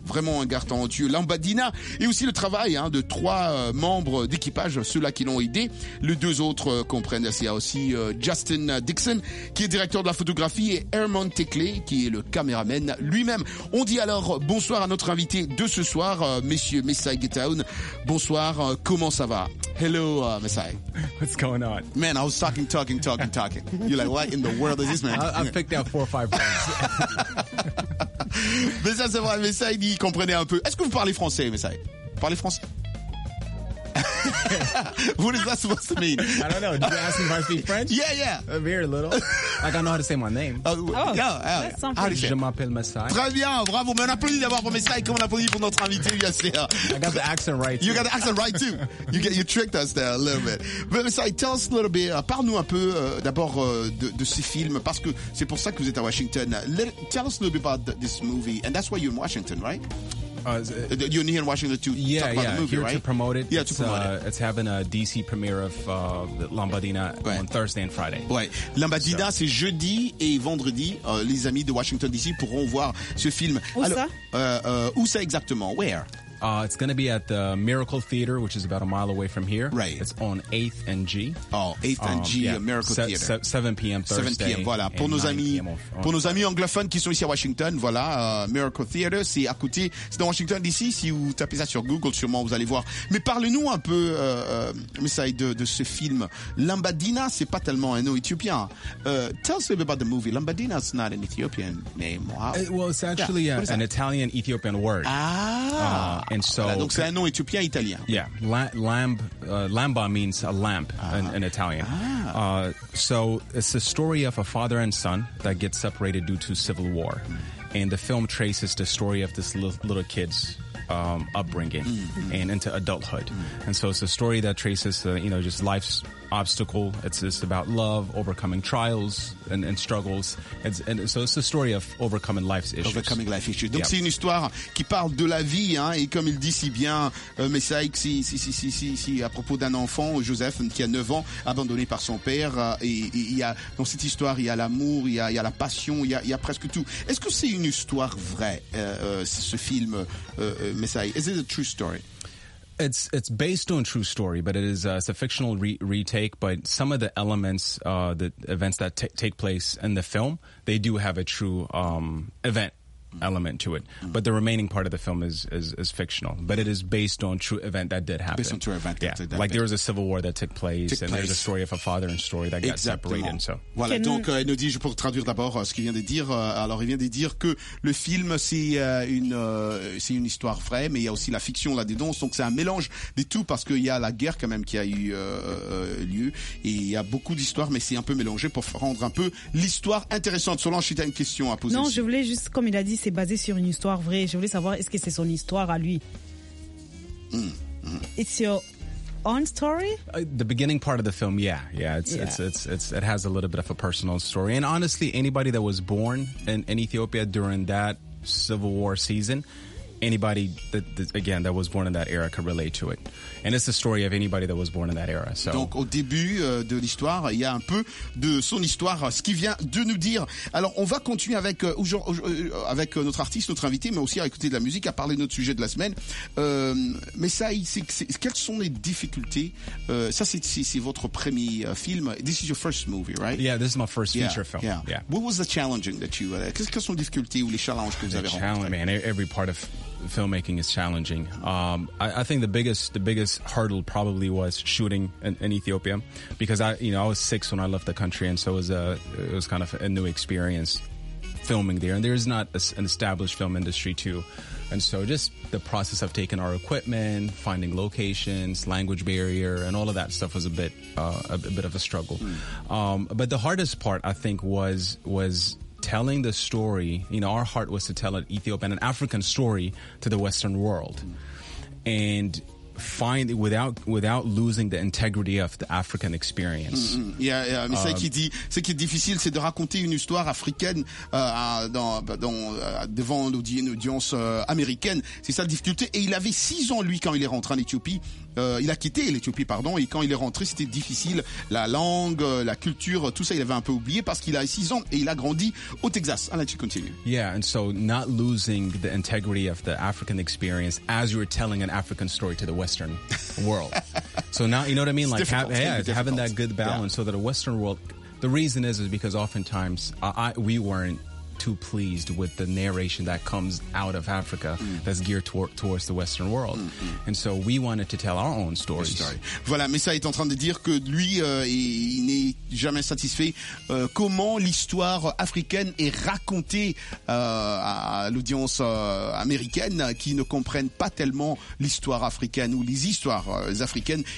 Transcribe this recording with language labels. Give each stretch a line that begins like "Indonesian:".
French: Vraiment un garçon talentueux. Lambadina et aussi le travail de 3 membres d'équipage, ceux-là qui l'ont aidé. Les 2 autres comprennent assez aussi Justin Dixon, qui est directeur de la photographie, et Herman Tekley, qui est le caméraman lui-même. On dit alors bonsoir à notre invité de ce soir, messieurs Mesaï Getaoun. Bonsoir, comment ça va?
English: Hello, Mesaï. What's going on? Man, I was talking. You're like, what in the world is this, man? I picked out 4 or 5 words.
French: Mais ça, c'est vrai, mais ça, il comprenait un peu. Est-ce que vous parlez français, mais ça, vous parlez français?
English: What is that supposed to mean? I don't know. Did you ask me if I speak French? Yeah. Very little. Like, I know how to say my name. Oh, that's something.
French: Je m'appelle Mesaï. Très bien, bravo. Mais on applaudit d'abord pour Mesaï, comme on applaudit pour notre invité, bien sûr.
English: I got the accent right, too. You got the accent right, too. You tricked us there a little bit. But Mesaï, tell us a little bit.
French: Parle-nous un peu d'abord de ces films, parce que c'est pour ça que vous êtes à Washington.
English: Tell us a little bit about this movie. And that's why you're in Washington, right? You're here in Washington to talk about the movie, here, right? Yeah, to promote it. Yeah, to promote it. It's having a DC premiere of Lambadina on Thursday and Friday.
French: Ouais. Lambadina, c'est jeudi et vendredi. Les amis de Washington DC pourront voir ce film. Où alors, ça? Où ça exactement?
English: Where? It's going to be at the Miracle Theater, which is about a mile away from here. Right. It's on 8th and G. Oh, 8th and G, Miracle Theater. 7 p.m. Thursday.
French: 7 p.m., voilà. Pour nos amis, anglophones qui sont ici à Washington, voilà, Miracle Theater, c'est à côté, c'est dans Washington DC. Si vous tapez ça sur Google, sûrement vous allez voir. Mais parlez-nous un peu, Mesaï, de ce film. Lambadina, c'est pas tellement un nom éthiopien.
English: Tell us a bit about the movie. Lambadina, it's not an Ethiopian name. Wow. It's actually an Italian-Ethiopian word. And so,
French: voilà, donc c'est un nom éthiopien italien.
English: Yeah, lamba means a lamp in Italian. Ah. So it's the story of a father and son that get separated due to civil war, and the film traces the story of this little kid's upbringing and into adulthood. And so it's a story that traces just life's obstacle. It's just about love, overcoming trials and struggles. So it's a story of overcoming life's issues. Overcoming life issues.
French: Donc c'est une histoire qui parle de la vie, hein, et comme il dit si bien, Mesaï, si à propos d'un enfant, Joseph, qui a 9 ans, abandonné par son père, et il y a, dans cette histoire, il y a l'amour, il y a la passion, il y a presque tout. Est-ce que c'est une histoire vraie, ce film, Mesaï?
English: Is it a true story? It's based on true story, but it is it's a fictional retake. But some of the elements, the events that take place in the film, they do have a true event element to it. But the remaining part of the film is fictional. But it is based on true event that did happen. Based on true event, yeah. Like there was a civil war that took place. There's a story of a father and story that
French: Exactement.
English: Got separated. So
French: voilà. Donc elle nous dit, je pour traduire d'abord ce qu'il vient de dire. Alors il vient de dire que le film c'est une histoire vraie, mais il y a aussi la fiction là dedans. Donc c'est un mélange des tout parce qu'il y a la guerre quand même qui a eu lieu et il y a beaucoup d'histoires, mais c'est un peu mélangé pour rendre un peu l'histoire intéressante. Solange, tu as une question à poser? Non, je voulais juste comme il a dit. c'est basé sur une histoire vraie. Je voulais savoir, est-ce que c'est son histoire à lui?
English: It's your own story? The beginning part of the film, it has a little bit of a personal story. And honestly, anybody that was born in Ethiopia during that Civil War season, anybody that was born in that era could relate to it. And it's the story of anybody that was born in that era. So.
French: Donc au début de l'histoire, il y a un peu de son histoire, ce qu'il vient de nous dire. Alors on va continuer avec notre artiste, notre invité, mais aussi à écouter de la musique, à parler de notre sujet de la semaine. Quelles sont les difficultés? Ça c'est votre premier film.
English: This is your first movie, right? Yeah, this is my first feature film. Yeah. Yeah. What was the challenging that you?
French: Quelles sont les difficultés ou les challenges que vous avez rencontrés?
English: Man, every part of filmmaking is challenging. I think the biggest hurdle probably was shooting in Ethiopia, because I was 6 when I left the country, and so it was kind of a new experience filming there, and there is not an established film industry too, and so just the process of taking our equipment, finding locations, language barrier, and all of that stuff was a bit of a struggle. But the hardest part, I think, was telling the story. You know, our heart was to tell an Ethiopian, an African story to the Western world, and find without losing the integrity of the African experience.
French: Mais ce qui dit, ce qui est difficile, c'est de raconter une histoire africaine devant une audience américaine. C'est ça la difficulté. Et il avait 6 ans, lui, quand il est rentré en Éthiopie. Il a quitté l'Éthiopie, pardon, et quand il est rentré, c'était difficile. La langue, la culture, tout ça, il avait un peu oublié parce qu'il a 6 ans et il a grandi au Texas.
English: I'll let you continue. Yeah, and so not losing the integrity of the African experience as you're telling an African story to the Western world. So now, you know what I mean? It's like having that good balance, yeah. So that a Western world, the reason is because oftentimes we weren't too pleased with the narration that comes out of Africa that's geared towards the Western world. And so we wanted to tell our own stories.
French: Voilà, mais ça est en train de dire que lui, il n'est jamais satisfait comment l'histoire africaine est racontée à l'audience américaine qui ne comprennent pas tellement l'histoire africaine ou les histoires africaines.